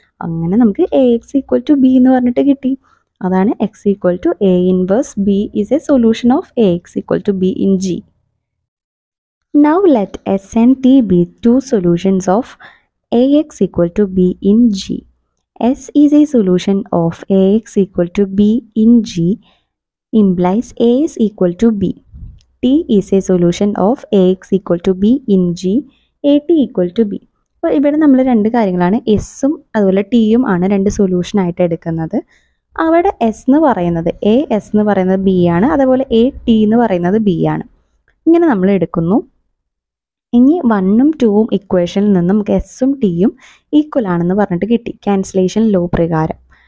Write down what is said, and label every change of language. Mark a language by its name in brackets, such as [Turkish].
[Malayalam] അങ്ങനെ നമുക്ക് [English] A X equal to B [Malayalam] എന്ന് പറഞ്ഞിട്ട് കിട്ടി. അതാണ് [English] X equal to A inverse B is a solution of A X equal to B in G. Now let S and T be two solutions of A X equal to B in G. S is a solution of AX equal to B in G implies A is equal to B. T is a solution of AX equal to B in G, AT equal to B. [Malayalam] അപ്പൊ അപ്പോൾ ഇവിടെ നമ്മൾ രണ്ട് കാര്യങ്ങളാണ്, എസ്സും അതുപോലെ ടിയും ആണ് രണ്ട് സൊല്യൂഷനായിട്ട് എടുക്കുന്നത്. അവിടെ എസ് എന്ന് പറയുന്നത് എ, എസ് എന്ന് പറയുന്നത് ബി ആണ്, അതേപോലെ എ ടി എന്ന് പറയുന്നത് ബി ആണ്. ഇങ്ങനെ നമ്മൾ എടുക്കുന്നു. ഇനി വണ്ണും ടുവും ഇക്വേഷനിൽ നിന്ന് നമുക്ക് എസ്സും ടിയും ഈക്വൽ ആണെന്ന് പറഞ്ഞിട്ട് കിട്ടി, ക്യാൻസലേഷൻ ലോ പ്രകാരം.